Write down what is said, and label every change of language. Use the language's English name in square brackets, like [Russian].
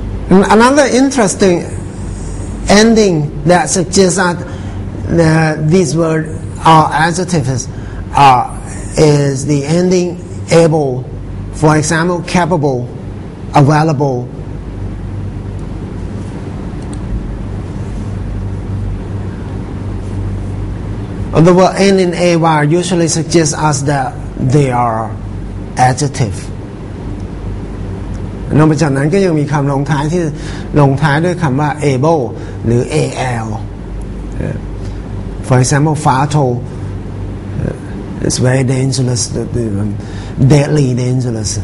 [English] Another interesting ending that suggests that these words are adjectives is the ending able, for example, capable, available. The word ending "-ay" usually suggests us that they are adjective. [Thai] นอกจากนั้นก็ยังมีคำลงท้ายที่ลงท้ายด้วยคำว่า able หรือ al. [English] For example, fatal is very dangerous, deadly dangerous.